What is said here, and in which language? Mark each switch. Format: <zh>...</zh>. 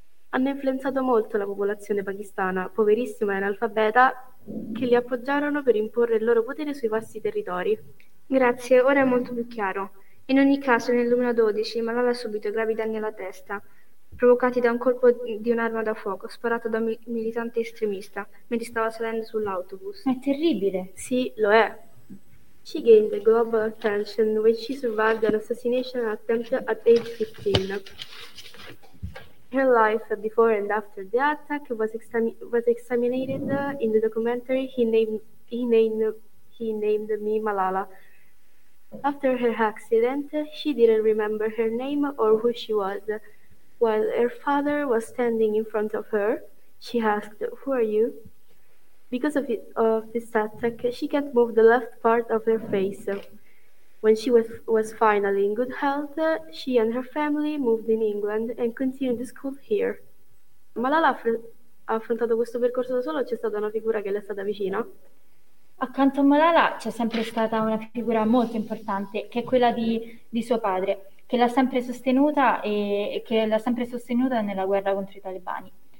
<it>Hanno influenzato molto la popolazione pakistana, poverissima e analfabeta, che li appoggiarono per imporre il loro potere sui vasti territori. Grazie, ora è molto più chiaro. In ogni caso, nel 2012, Malala ha subito gravi danni alla testa, provocati da un colpo di un'arma da fuoco sparato da un militante estremista mentre stava salendo sull'autobus. È terribile. Sì, lo è.</it> <en>She gained the global attention when she survived an assassination attempt at age 15. Her life before and after the attack was examined in the documentary he named me Malala. After her accident, she didn't remember her name or who she was. While her father was standing in front of her, she asked, "Who are you?" Because of this attack, she can't move the left part of her face. When she was finally in good health, she and her family moved in England and continued the school here.</en> <it>Malala ha affrontato questo percorso da sola o c'è stata una figura che le è stata vicina? Accanto a Malala c'è sempre stata una figura molto importante, che è quella di suo padre, che l'ha sempre sostenuta e che l'ha sempre sostenuta nella guerra contro i talebani.</it>